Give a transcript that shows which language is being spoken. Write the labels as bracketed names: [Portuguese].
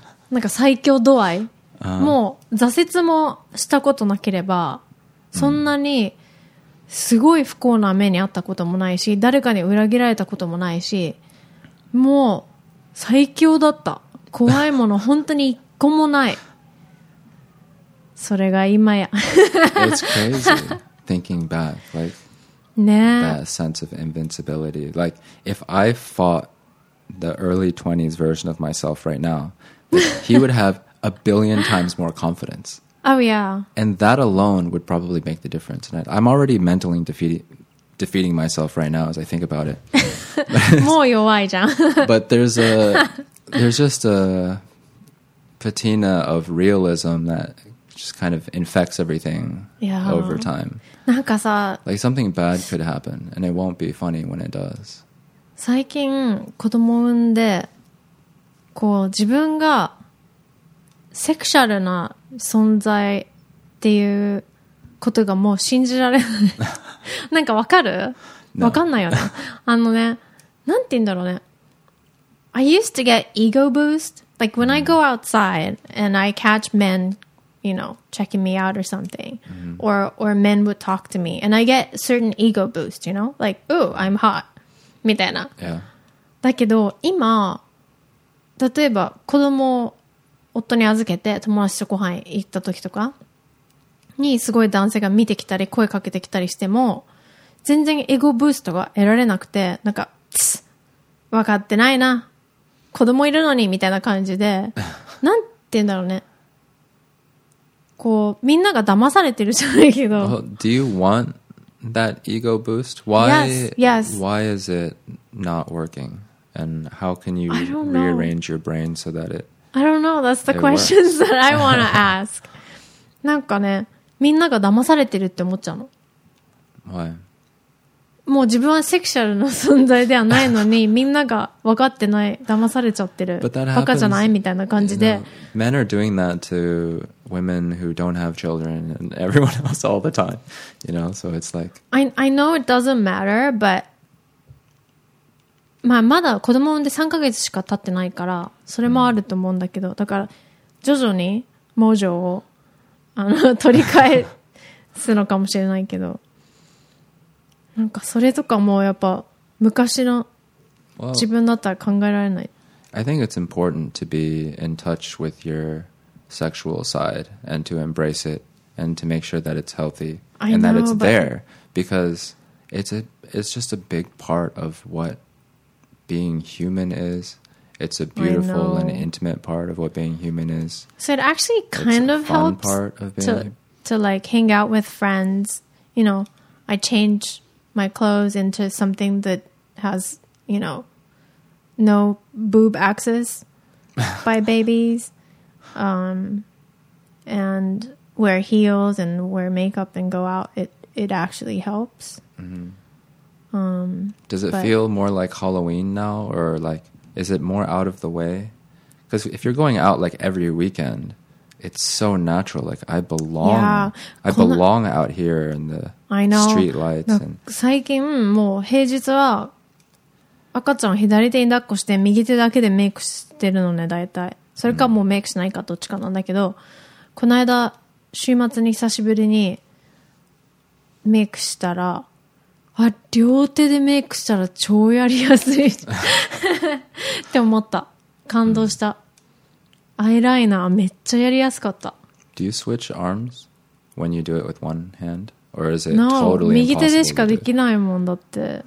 [Japanese] なんか最強度合い。もう挫折もしたことなければ、そんなに、mm. すごい不幸な目にあったこともないし誰かに裏切られたこともないしもう最強だった怖いもの本当に一個もないそれが今や [English] It's crazy thinking back like、 [Japanese] ね、 [English] that sense of invincibility like if I fought the early 20s version of myself right now he would have a billion times more confidence Oh, yeah. And that alone would probably make the difference. And I'm already mentally defeating myself right now as I think about it. [Japanese] もう弱いじゃん。 [English] But there's just a patina of realism that just kind of infects everything yeah. over time. [Japanese] なんかさ、 [English] like something bad could happen, and it won't be funny when it does. [Japanese] 最近子供産んで、こう自分がセクシャルな存在っていうことがもう信じられない。なんかわかる？わかんないよね。あのね、なんて言うんだろうね。 [English] I used to get ego boost. Like when I go outside and I catch men, you know, checking me out or something. Mm-hmm. Or men would talk to me. And I get certain ego boost, you know? Like, ooh, I'm hot. [Japanese] みたいな。 [English] Yeah. [Japanese] だけど、今、例えば子供を夫に預けて友達とご飯行った時とかにすごい男性が見てきたり声かけてきたりしても全然エゴブーストが得られなくてなんか、分かってないな子供いるのにみたいな感じでなんて言うんだろうねこうみんなが騙されてるじゃないけど、 [English] well, Do you want that ego boost? Why, yes, yes. Why is it not working? And how can you rearrange your brain so that it I don't know. That's the questions、 works. That I want to ask. [Japanese] なんかね、みんなが騙されてるって思っちゃうの。 [English] Why? [Japanese] もう自分はセクシャルの存在ではないのに、みんなが分かってない、騙されちゃってる。 [English] But that happens, [Japanese] バカじゃないみたいな感じで。 [English] You know, men are doing that to women who don't have children and everyone else all the time. You know, so it's like... I know it doesn't matter, but... [Japanese] まあ、まだ子供産んで3ヶ月しか経ってないからそれもあると思うんだけど、うん、だから徐々に魔女をあの取り返すのかもしれないけどなんかそれとかもやっぱ昔の自分だったら考えられない、 [English] well, I think it's important to be in touch with your sexual side and to embrace it and to make sure that it's healthy and know, that it's there because it's just a big part of whatBeing human is, it's a beautiful and intimate part of what being human is. So it actually kind of helps part of being to like hang out with friends. You know, I change my clothes into something that has, you know, no boob access by babies, and wear heels and wear makeup and go out. It actually helps. Mm-hmm. Does it feel more like Halloween now, or like is it more out of the way? Because if you're going out like every weekend, it's so natural. Like I belong, yeah, I belong out here in the I know. Street lights. And [Japanese] 最近もう平日は赤ちゃん左手に抱っこして右手だけでメイクしてるのね大体。それかもうメイクしないかどっちかなんだけど、この間週末に久しぶりにメイクしたら。あ、両手でメイクしたら超やりやすいって思った。感動した。アイライナーめっちゃやりやすかった。 [English] Do you switch arms when you do it with one hand? Or is it no, totally impossible to do? [Japanese] No, 右手でしかできないもんだって。